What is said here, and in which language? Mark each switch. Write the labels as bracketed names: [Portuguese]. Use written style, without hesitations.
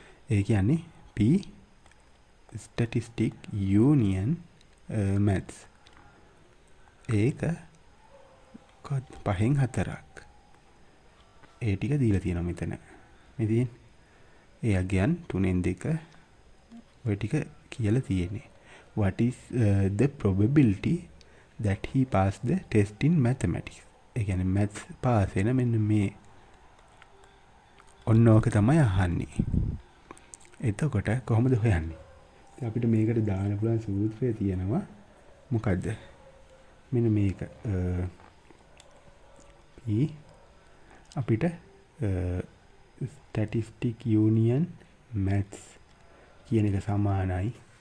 [Sinhala] ඒ කියන්නේ P statistic union maths. ඒක කොහොමද 5න් 4ක්. ඒ ටික දීලා තියෙනවා මෙතන. මෙතින් ඒ අගයන් 3න් 2 ඔය ටික කියලා තියෙන්නේ. [English] What is the probability that he passed the test in mathematics? [Sinhala] ඒ කියන්නේ maths pass වෙන මෙන්න මේ ඔන්නෝක තමයි අහන්නේ. එතකොට කොහොමද හොයන්නේ? අපිට මේකට දාන්න පුළුවන් සූත්‍රය තියෙනවා. මොකද්ද? මෙන්න මේක P අපිට statistic union maths කියන එක සමානයි.